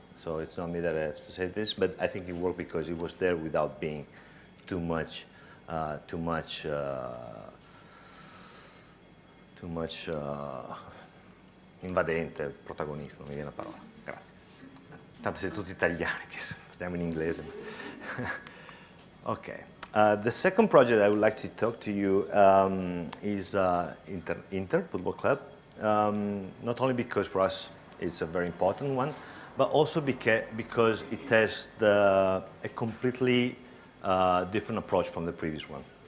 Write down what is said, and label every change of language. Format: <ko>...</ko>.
<en>So it's not me that I have to say this, but I think it worked because it was there without being too much</en> <it>invadente, protagonista, non mi viene la parola. Tanto siete tutti italiani, che parliamo in inglese.</it> <en>Okay. The second project I would like to talk to you is Inter Football Club. Not only because for us it's a very important one, but also because it has a completely different approach from the previous one.</en>